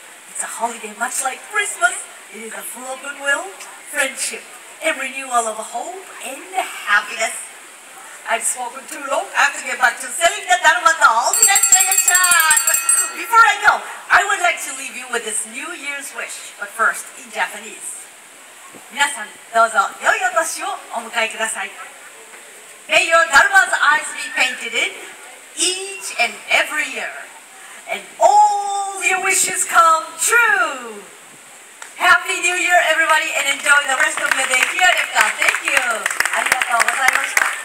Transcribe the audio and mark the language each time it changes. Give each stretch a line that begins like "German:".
English: It's a holiday much like Christmas. It is a full of goodwill, friendship, and renewal of hope and happiness. I've spoken too long. I have to get back to selling the daruma dolls. Next generation. Before I go, I would like to leave you with this New Year's wish, but first, in Japanese.
Japanese: 皆さん、どうぞ良いお年をお迎えください。
English: May your daruma's eyes be painted in each and every year. And all your wishes come true. Happy New Year, everybody, and enjoy the rest of the day here at EFCA. Thank you.
Japanese: Arigatou gozaimashita.